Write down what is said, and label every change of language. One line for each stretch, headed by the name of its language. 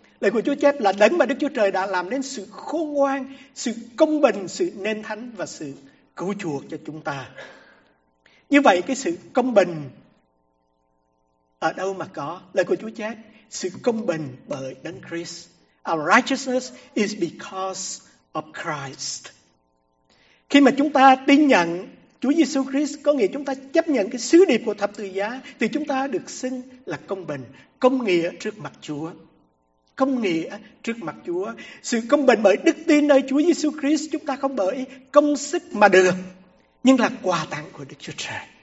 Vietnamese: Lời của Chúa chép là đấng mà Đức Chúa Trời đã làm nên sự khôn ngoan, sự công bình, sự nên thánh và sự cứu chuộc cho chúng ta. Như vậy cái sự công bình ở đâu mà có? Lời của Chúa chép sự công bình bởi đấng Christ.
English: Our righteousness is because of Christ.
Vietnamese: Khi mà chúng ta tin nhận Chúa Giêsu Christ, có nghĩa chúng ta chấp nhận cái sứ điệp của thập tự giá, thì chúng ta được xưng là công bình, công nghĩa trước mặt Chúa. Công nghĩa trước mặt Chúa. Sự công bình bởi đức tin nơi Chúa Giêsu Christ, chúng ta không bởi công sức mà được, nhưng là quà tặng của Đức Chúa Trời.